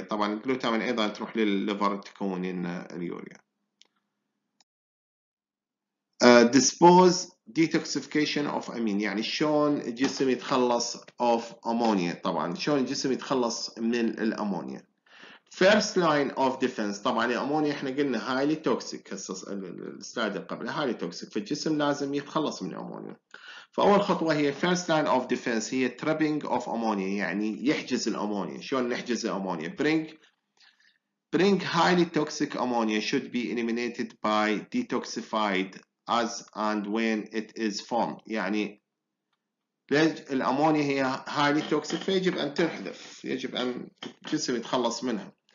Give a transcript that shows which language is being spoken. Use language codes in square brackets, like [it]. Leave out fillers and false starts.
[ar] طبعا الجلوتامين أيضا تروح للليفر تكون اليوريا. [en] dispose detoxification of amine، [ar] يعني شلون الجسم يتخلص [en] of ammonia. [ar] طبعا شلون الجسم يتخلص من الأمونيا. [en] first line of defense، [ar] طبعا الأمونيا احنا قلنا highly toxic، السلايد اللي قبل highly toxic، فالجسم لازم يتخلص من الأمونيا. فأول خطوة هي [en] first line of defense [ar] هي [en] trapping of ammonia، [ar] يعني يحجز الأمونيا. شلون نحجز الأمونيا؟ [en] bring highly toxic ammonia should be eliminated by detoxified as and when it is formed. [ar] يعني الأمونيا هي highly toxic، فيجب أن تنحذف، يجب أن الجسم يتخلص منها.